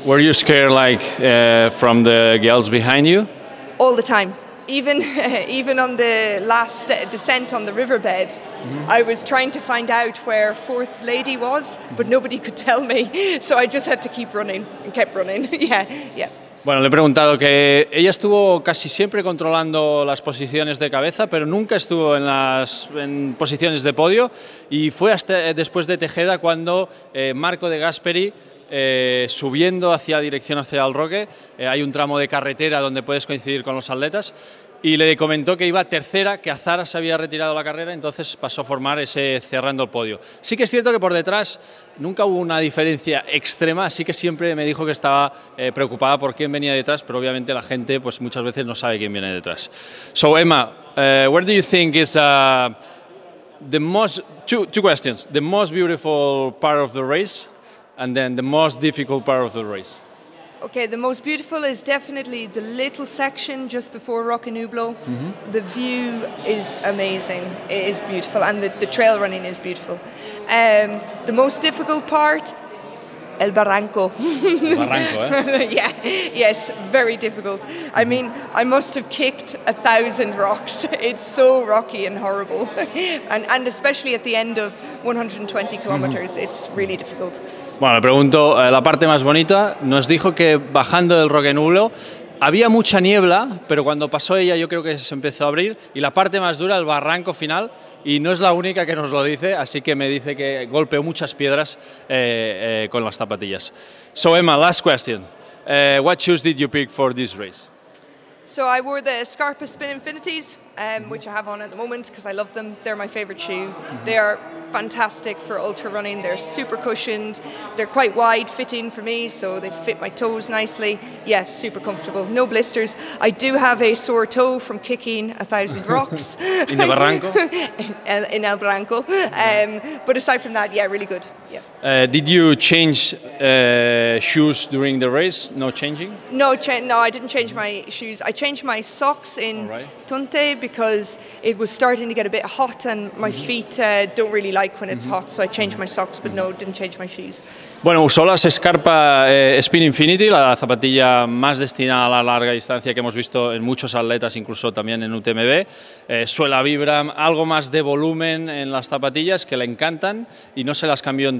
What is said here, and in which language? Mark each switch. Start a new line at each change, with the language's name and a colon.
English: Were you scared, like, from the girls behind you? All the time. Even on the last descent on the riverbed, I was trying to find out where fourth lady was, but nobody could tell me. So I just had to keep running and kept running. Yeah, yeah.
Spanish: Bueno, le he preguntado que ella estuvo casi siempre controlando las posiciones de cabeza, pero nunca estuvo en posiciones de podio. Y fue hasta después de Tejeda cuando Marco De Gasperi, subiendo hacia dirección hacia el Roque, hay un tramo de carretera donde puedes coincidir con los atletas, y le comentó que iba tercera, que Azara se había retirado la carrera, entonces pasó a formar ese cerrando el podio. Sí que es cierto que por detrás nunca hubo una diferencia extrema, así que siempre me dijo que estaba preocupada por quién venía detrás, pero obviamente la gente pues muchas veces no sabe quién viene detrás.
English: So Emma, where do you think is the most two questions, the most beautiful part of the race and then the most difficult part of the race? Okay, the most beautiful is definitely the little section just before Roque Nublo. The view is amazing. It is beautiful, and the trail running is beautiful. The most difficult part, El Barranco. Barranco, eh? Yeah, yes, very difficult. I mean, I must have kicked 1,000 rocks. It's so rocky and horrible. And especially at the end of 120 kilometers, it's really difficult.
Spanish: Bueno, le pregunto, la parte más bonita, nos dijo que bajando del Roque Nublo había mucha niebla, pero cuando pasó ella yo creo que se empezó a abrir, y la parte más dura, el barranco final, y no es la única que nos lo dice, así que me dice que golpeó muchas piedras con las zapatillas.
English: So Emma, last question. What shoes did you pick for this race? So I wore the Scarpa Spin Infinities, which I have on at the moment because I love them. They're my favorite shoe. They are fantastic for ultra running. They're super cushioned. They're quite wide fitting for me, so they fit my toes nicely. Yeah, super comfortable. No blisters. I do have a sore toe from kicking 1,000 rocks. In the Barranco? In El Barranco. But aside from that, yeah, really good. Yeah. Did you change shoes during the race? No changing? No, I didn't change my shoes. I changed my socks in Tunte because it was starting to get a bit hot and my feet don't really like when it's hot, so I changed my socks, but no, didn't change my shoes.
Spanish: Bueno, usó las Scarpa Spin Infinity, la zapatilla más destinada a la larga distancia que hemos visto en muchos atletas, incluso también en UTMB. Suela Vibram, algo más de volumen en las zapatillas que le encantan, y no se las cambió en